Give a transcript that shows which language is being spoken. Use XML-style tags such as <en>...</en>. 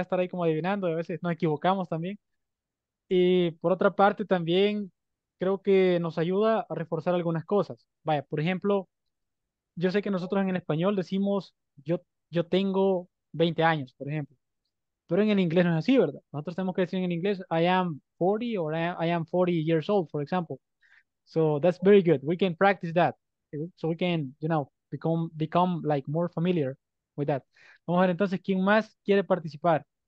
<es>Estar ahí como adivinando y a veces nos equivocamos también. Y por otra parte también creo que nos ayuda a reforzar algunas cosas. Vaya, por ejemplo, yo sé que nosotros en el español decimos yo tengo 20 años, por ejemplo. Pero en el inglés no es así, ¿verdad? Nosotros tenemos que decir en el inglés</es> <en>I am 40 or I am 40 years old, for example. So that's very good. We can practice that. So we can, you know, become like more familiar with that.</en> <es>Vamos a ver entonces, ¿quién más quiere participar?</es>